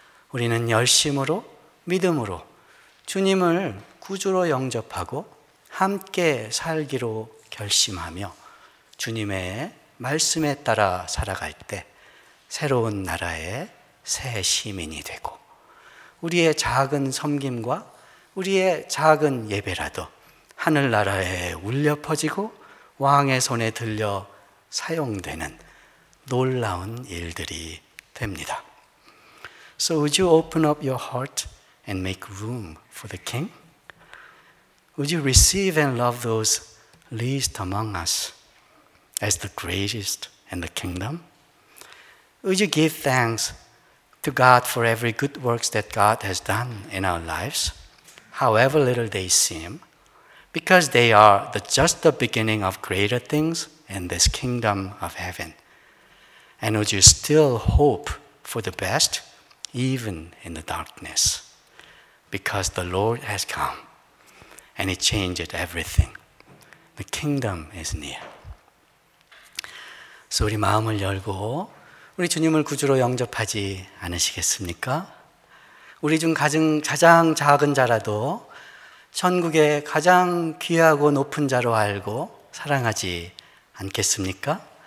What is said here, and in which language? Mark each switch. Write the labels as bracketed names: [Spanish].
[Korean] 우리는 열심으로 믿음으로 주님을 구주로 영접하고 함께 살기로 결심하며 주님의 말씀에 따라 살아갈 때 새로운 나라의 새 시민이 되고 우리의 작은 섬김과 우리의 작은 예배라도 하늘나라에 울려 퍼지고 왕의 손에 들려 사용되는 놀라운 일들이 됩니다. [English] So would you open up your heart and make room for the King? Would you receive and love those least among us as the greatest in the kingdom? Would you give thanks to God for every good works that God has done in our lives, however little they seem, because they are just the beginning of greater things in this kingdom of heaven? And would you still hope for the best even in the darkness, because the Lord has come and he changed everything. The kingdom is near. [Korean] So 우리 마음을 열고 우리 주님을 구주로 영접하지 않으시겠습니까? 우리 중 가장 작은 자라도 천국의 가장 귀하고 높은 자로 알고 사랑하지 않겠습니까?